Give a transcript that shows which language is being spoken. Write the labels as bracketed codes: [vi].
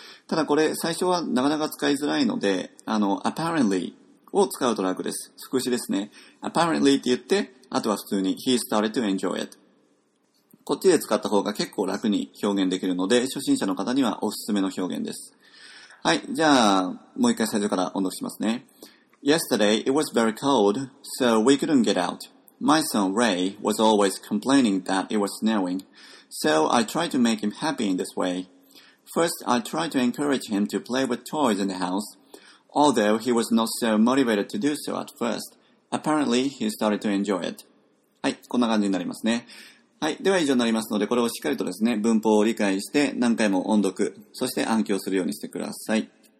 [ja] ただこれ最初はなかなか使いづらいので、apparently を使うと楽です。副詞ですね。 apparently って言って、あとは普通に [en] he started to enjoy it。 [ja] こっちで使った方が結構楽に表現できるので、初心者の方にはおすすめの表現です。はい、じゃあもう一回最初から音読しますね。 [en] Yesterday it was very cold, so we couldn't get out. My son Ray was always complaining that it was snowing, so I tried to make him happy in this way. First, I tried to encourage him to play with toys in the house, although he was not so motivated to do so at first. Apparently, he started to enjoy it. [ja] はい、こんな感じになりますね。はい、では以上になりますので、これをしっかりとですね、文法を理解して何回も音読、そして暗記をするようにしてください。